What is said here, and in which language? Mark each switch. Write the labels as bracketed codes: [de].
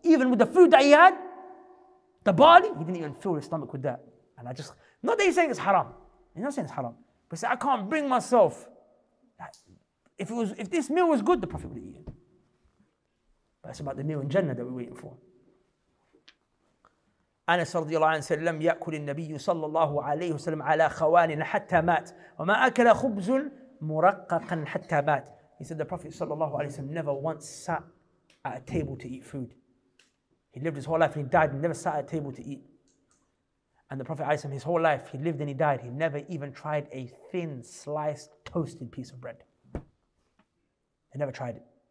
[en] Even with the food that he had, the barley, he didn't even fill his stomach with that. And I just, not that he's saying it's haram. He's not saying it's haram. But he said, I can't bring myself. If this meal was good, the Prophet would have eaten. But it's about the meal in Jannah that we're waiting for. [ar] Anas radiallahu anhu said, لم يأكل النبي صلى الله عليه وسلم على خوان حتى مات وما أكل خبز مرقق حتى مات. [en] He said, the Prophet صلى الله عليه وسلم never once sat at a table to eat food. He lived his whole life and he died and never sat at a table to eat. And the Prophet ﷺ, his whole life, he lived and he died. He never even tried a thin, sliced, toasted piece of bread. He never tried it.